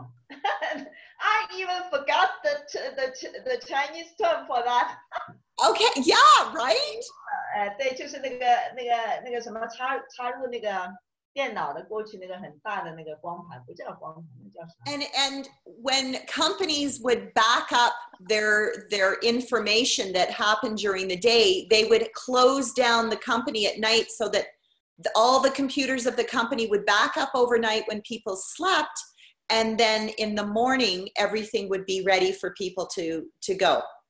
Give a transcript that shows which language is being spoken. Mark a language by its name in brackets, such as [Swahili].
[English] I even forgot the Chinese term for that. Okay, yeah, right? [Chinese] 对，就是那个什么插入那个电脑的过去那个很大的那个光盘，不叫光盘，叫什么？ [English] And when companies would back up their information that happened during the day, they would close down the company at night so that all the computers of the company would back up overnight when people slept, and then in the morning, everything would be ready for people to go.